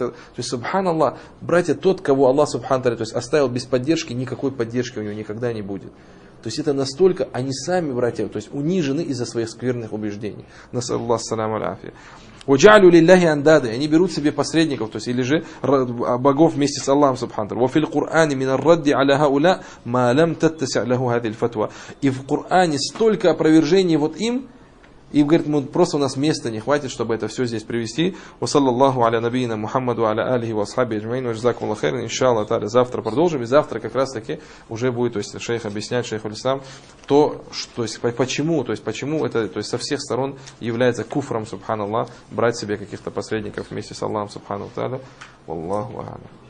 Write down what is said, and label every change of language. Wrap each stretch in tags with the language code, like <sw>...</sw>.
<ru>То есть, субханаллах, братья, тот, кого Аллах субхан тааля, то есть оставил без поддержки, никакой поддержки у него никогда не будет. То есть это настолько, они сами, братья, то есть унижены из-за своих скверных убеждений. Насаллаху саламу аля афия.</ru> <ar>وجعلوا لله اندادا,</ar> <ru>они берут себе посредников, то есть или же богов вместе с Аллахом субханта.</ru> <ar>وفي القران من الرد على هؤلاء ما لم تتسع له هذه الفتوى.</ar> <ru>И в Коране столько опровержений вот им, и говорит, мы просто, у нас места не хватит, чтобы это все здесь привести.</ru> <ar>وصلى الله على نبينا محمد وعلى اله واصحابه اجمعين وجزاكم الله خيرا.</ar> <ru>Иншааллах тааля, завтра продолжим, и завтра как раз-таки уже будет, то есть шейх объяснять, шейх аль-Ислам, то, что, то есть почему это, то есть со всех сторон является куфром, субханаллах, брать себе каких-то посредников вместе с Аллахом субхана тааля. Валлаху а'лам.</ru>